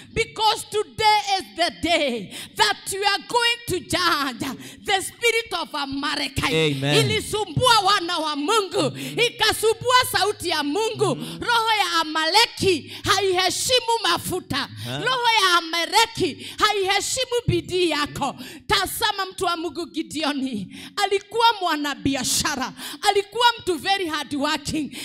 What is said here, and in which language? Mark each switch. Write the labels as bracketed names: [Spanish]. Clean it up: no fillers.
[English] Because today is the day that you are going to judge the spirit of America. Amen. [Swahili] Ilisumbua wana wa Mungu. Ikasumbua sauti ya Mungu. Roho ya Amaleki haiheshimu mafuta. Roho ya Amaleki haiheshimu bidii yako. Tazama mtu wa Mungu Gideoni. Alikuwa mwanabiashara. Alikuwa mtu [English] very hard working.